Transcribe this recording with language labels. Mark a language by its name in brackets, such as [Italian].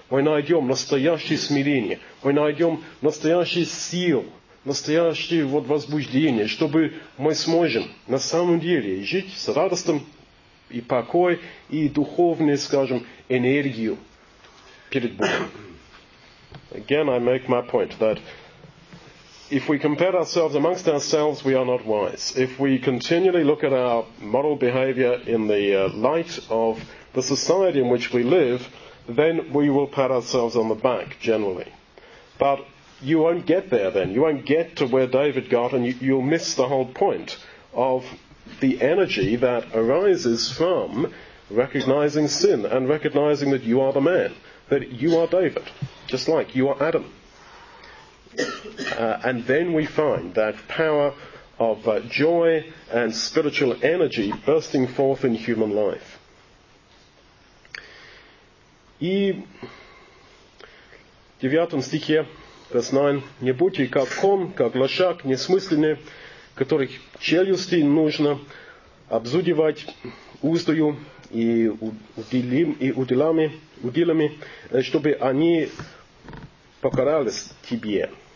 [Russian] Мы найдем настоящее смирение. Мы найдем настоящий сил, настоящее вот возбуждение, чтобы мы сможем на самом деле жить с радостным и покой, и духовную, скажем, энергию перед Богом. [English] Again, I make my point that if we compare ourselves amongst ourselves, we are not wise. If we continually look at our moral behavior in the light of the society in which we live, then we will pat ourselves on the back, generally. But you won't get there then. You won't get to where David got, and you'll miss the whole point of the energy that arises from recognizing sin and recognizing that you are the man, that you are David, just like you are Adam. And then we find that power of joy and spiritual energy bursting forth in human life. [Russian] И в 9 стихе, [English] verse 9, [Russian] «Не будьте как кон, как лошак, несмысленные, которых челюсти нужно обзудевать устою и удилами, чтобы они покорались тебе».